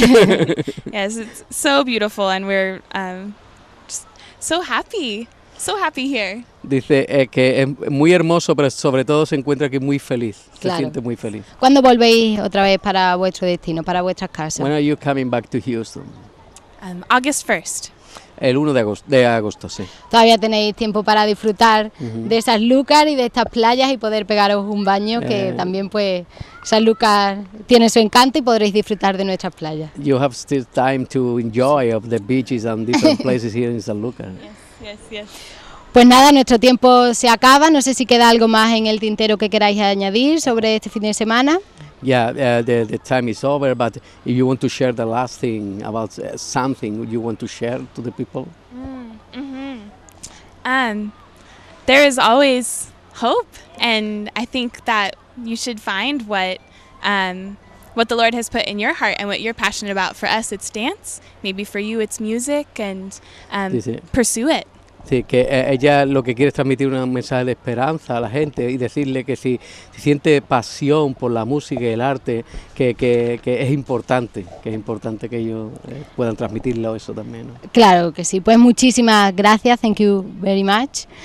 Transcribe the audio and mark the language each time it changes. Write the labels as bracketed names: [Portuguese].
[English] Yes, it's so beautiful, and we're so happy here. [Spanish] Dice que es muy hermoso, pero sobre todo se encuentra aquí muy feliz. Claro. Se siente muy feliz. ¿Cuándo volvéis otra vez para vuestro destino, para vuestras casas? [English] When are you coming back to Houston? August 1st. [Spanish] El 1 de agosto, sí. Todavía tenéis tiempo para disfrutar de Sanlúcar y de estas playas y poder pegaros un baño, que también pues Sanlúcar tiene su encanto y podréis disfrutar de nuestras playas. [English] You have still time to enjoy of the beaches and different places here in Sanlúcar. Yes. [Spanish] Pues nada, nuestro tiempo se acaba. No sé si queda algo más en el tintero que queráis añadir sobre este fin de semana. [English] Yeah, the time is over, but if you want to share the last thing about something you want to share to the people. There is always hope, and I think that you should find what the Lord has put in your heart and what you're passionate about. For us, it's dance. Maybe for you, it's music, and pursue it. [Spanish] Sí, que ella lo que quiere es transmitir un mensaje de esperanza a la gente y decirle que si siente pasión por la música y el arte, que es importante que ellos puedan transmitirlo eso también, ¿no? Claro que sí, pues muchísimas gracias, [English] thank you very much.